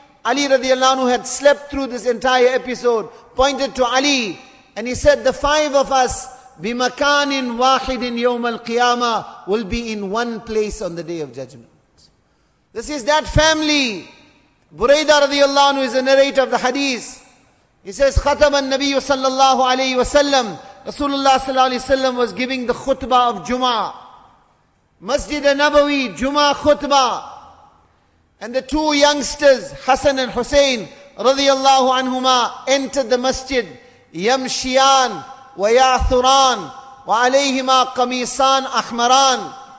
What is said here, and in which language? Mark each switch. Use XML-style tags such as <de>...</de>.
<en>Ali radiallahu anhu had slept through this entire episode, pointed to Ali, and he said, the five of us,</en> <ar>بِمَكَانٍ وَاحِدٍ يَوْمَ الْقِيَامَةِ,</ar> <en>will be in one place on the Day of Judgment. This is that family. Burayda radiallahu anhu is a narrator of the hadith. He says,</en> <ar>خَتَمَ النَّبِيُّ صَلَّى اللَّهُ عَلَيْهِ وَسَلَّمْ.</ar> <en>Rasulullah sallallahu alayhi wa sallam was giving the khutbah of Jummah. Masjid al-Nabawi, Jummah khutbah. And the two youngsters, Hassan and Hussein, radiyallahu anhuma, entered the masjid.</en> <ar>Yamshiyan wa ya'thuran wa alayhima qamisan ahmaran.</ar>